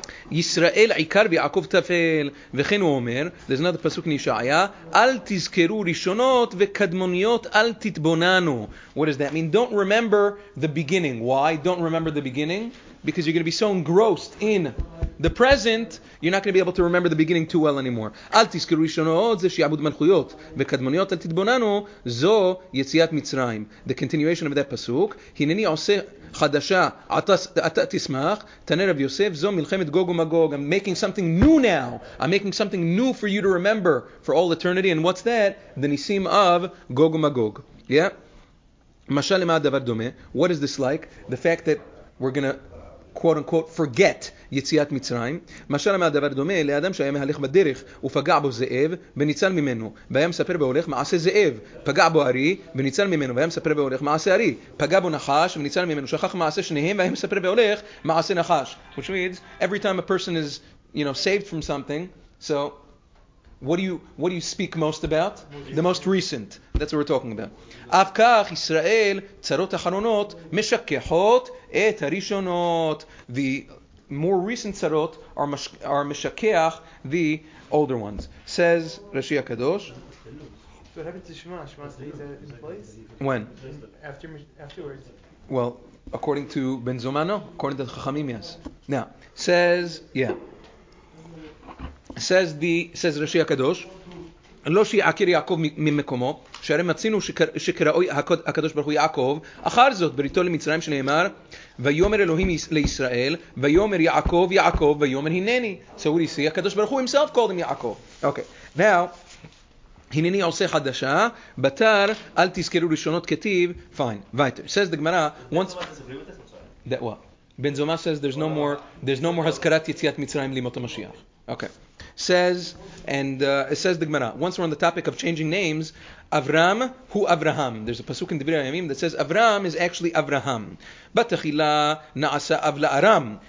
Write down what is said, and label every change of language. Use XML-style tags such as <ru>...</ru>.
<he>Yisrael ikar v'Yaakov tafel. V'chein hu omer,</he> <en>there's another pasuk in Yeshaya,</en> <he>al tizkeru rishonot v'kadmoniot al titbonanu.</he> <en>What does that mean? Don't remember the beginning. Why? Don't remember the beginning? Because you're going to be so engrossed in the present, you're not going to be able to remember the beginning too well anymore.</en> <he>אל תזכרו ראשונות זה שיעבוד מלכויות וקדמוניות אל תתבוננו זו יציאת מצרים.</he> <en>The continuation of that</en> <he>פסוק, הנני עושה חדשה, אתה תשמח, תנה רב יוסף, זו מלחמת גוג ומגוג.</he> <en>I'm making something new now. I'm making something new for you to remember for all eternity. And what's that? The ניסים of גוג ומגוג. Yeah?</en> <he>משל למה הדבר דומה?</he> <en>What is this like? The fact that we're going to quote unquote forget יציאת מצרים.</en> <he>משל מה הדבר דומה לאדם שהיה מהלך בדרך ופגע בו זאב וניצל ממנו, והיה מספר בהולך מעשה זאב, פגע בו ארי וניצל ממנו, והיה מספר בהולך מעשה ארי, פגע בו נחש וניצל ממנו, שכח מעשה שניהם והיה מספר בהולך מעשה נחש.</he> <en>Which means every time a person is, you know, saved from something, so what do you speak most about? The most recent. That's what we're talking about.</en> <he>אף כך ישראל צרות אחרונות משכחות את הראשונות.</he> <en>The more recent צרות are משכח the older ones. Says רש"י הקדוש. So what happened to Shema? Shema stays in place? When? Afterwards. Well, according to Ben Zomano, according to Chachamim, yes. Now, says, yeah.</en> <he>Says רש"י הקדוש, לא שיעקר יעקב ממקומו, שהרי מצינו שקראו הקדוש ברוך הוא יעקב, אחר זאת בריתו למצרים שנאמר, ויאמר אלוהים לישראל, ויאמר יעקב יעקב, ויאמר הנני.</he> <en>So what do you see?</en> <he>הקדוש ברוך הוא</he> <en>himself called him</en> <he>יעקב. Okay, now, הנני עושה חדשה, בתר, אל תזכרו ראשונות כתיב, fine, ויתר.</he> <en>Says the Gemara, once... That what? Ben Zoma says there's no more</en> <he>הזכרת יציאת מצרים לימות המשיח.</he> <en>Okay. Says, and it says the Gemara, once we're on the topic of changing names,</en> <he>Avram hu Avraham.</he> <en>There's a pasuk in Devar Hayamim that says Avram is actually Avraham.</en> <he>Batachila na'asa av la'aram.</he>